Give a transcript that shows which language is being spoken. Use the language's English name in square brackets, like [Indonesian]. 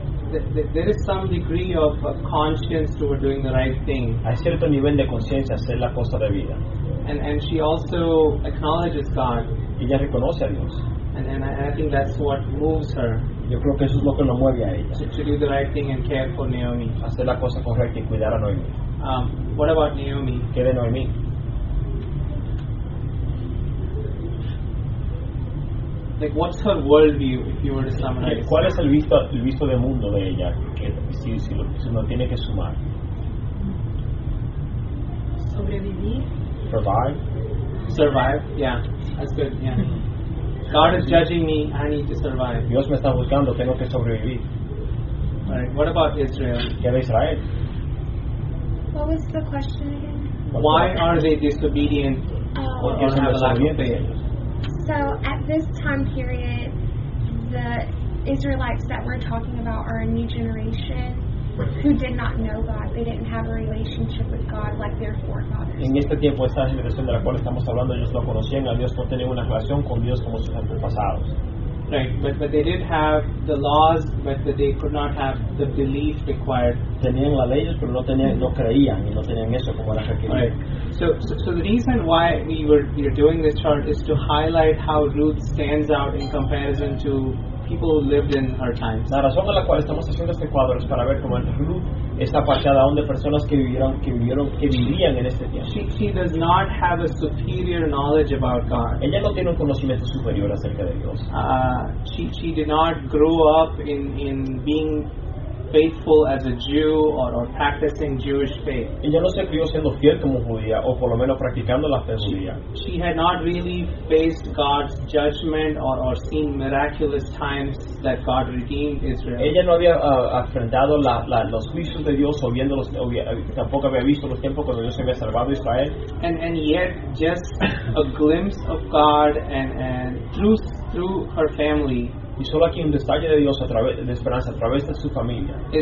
[English] There is some degree of conscience toward doing the right thing. [Spanish] Hay cierto nivel de conciencia hacer la cosa de vida. [English] And she also acknowledges God. [Spanish] Ella reconoce a Dios. [English] And I think that's what moves her. [Spanish] Yo creo que eso es lo que lo mueve a ella. [English] To do the right thing and care for Naomi. [Spanish] Hacer la cosa correcta y cuidar a Noemi. [English] What about Naomi? [Spanish] ¿Qué de Noemi? [English] Like, what's her worldview, if you were to summarize? [Spanish] ¿Cuál es el visto de mundo de ella? Que si uno tiene que sumar. Sobrevivir. [English] Survive. Survive, yeah. That's good, yeah. God is judging me, I need to survive. [Spanish] Dios me está buscando, tengo que sobrevivir. [English] Alright, what about Israel? [Spanish] ¿Qué de Israel? [English] What was the question again? Why are they disobedient? [Spanish] ¿Por qué son desobedientes ellos? [English] So at this time period, the Israelites that we're talking about are a new generation who did not know God. They didn't have a relationship with God like their forefathers. [Spanish] En este tiempo, esta generación de la cual estamos hablando, ellos no conocían a Dios, no tenían una relación con Dios como sus antepasados. [English] Right, but they did have the laws, but they could not have the belief required. [Spanish] Tenían las leyes, pero no tenían, no creían y no tenían eso como la requería. [English] Right. So the reason why we were doing this chart is to highlight how Ruth stands out in comparison to people who lived in her times. [Spanish] La razón por la cual estamos haciendo este cuadro es para ver cómo Ruth está apartada aún de personas que vivían en este tiempo. [English] She does not have a superior knowledge about God. [Spanish] Ella no tiene un conocimiento superior acerca de Dios. [English] She did not grow up in being faithful as a Jew or practicing Jewish faith. [Spanish] Ella no se crió siendo fiel como judía o por lo menos practicando la fe judía. [English] She had not really faced God's judgment or seen miraculous times that God redeemed Israel. [Spanish] Ella no había enfrentado los juicios de Dios tampoco había visto los tiempos cuando Dios había salvado Israel. [English] And yet just a glimpse of God and through her family. [Spanish] Y solo aquí un destaque de Dios de esperanza a través de su familia.